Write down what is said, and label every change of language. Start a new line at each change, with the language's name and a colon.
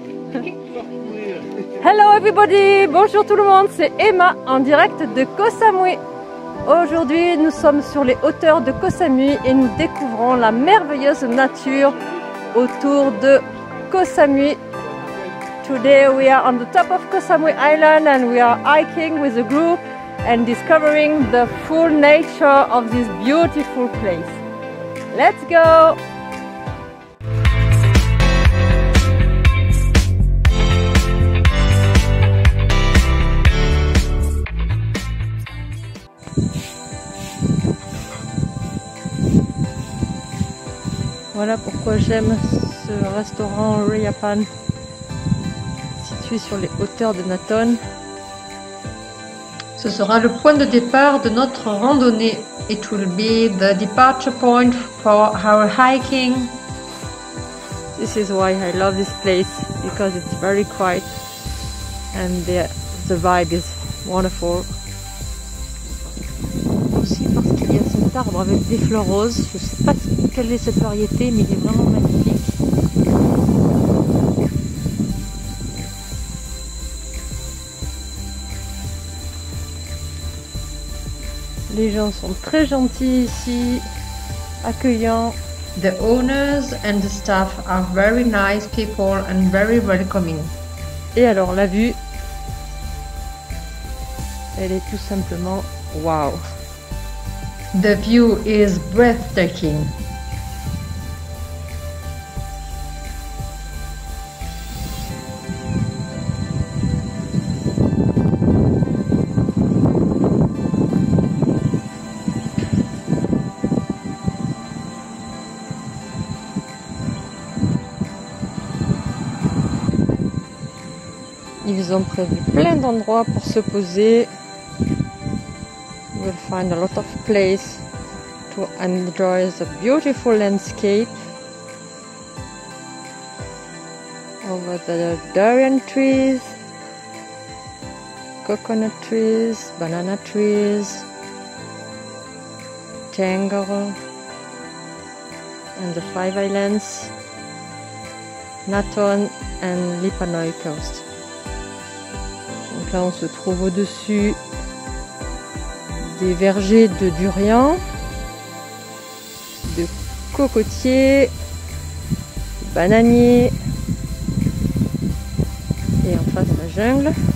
English: Hello everybody,
French: bonjour tout le monde, c'est Emma en direct de Koh Samui. Aujourd'hui nous sommes sur les hauteurs de Koh Samui et nous découvrons la merveilleuse nature autour de Koh Samui.
English: Today we are on the top of Koh Samui Island and we are hiking with a group and discovering the full nature of this beautiful place. Let's go!
French: Voilà pourquoi j'aime ce restaurant Raiyaipan, situé sur les hauteurs de Natone. Ce sera le point de départ de notre randonnée.
English: It will be the departure point for our hiking. This is why I love this place, because it's very quiet and the vibe is wonderful.
French: Aussi parce qu'il y a cet arbre avec des fleurs roses. Je ne sais pas quelle est cette variété, mais il est vraiment magnifique. Les gens sont très gentils ici, accueillants.
English: The owners and the staff are very nice people and very welcoming.
French: Et alors la vue, elle est tout simplement wow.
English: The view is breathtaking.
French: Ils ont prévu plein d'endroits pour se poser.
English: We'll find a lot of place to enjoy the beautiful landscape over the durian trees, coconut trees, banana trees, tangle, and the five islands, Natone and Lipanoi coast.
French: Là, on se trouve au-dessus des vergers de durian, de cocotiers, de bananiers et en face de la jungle.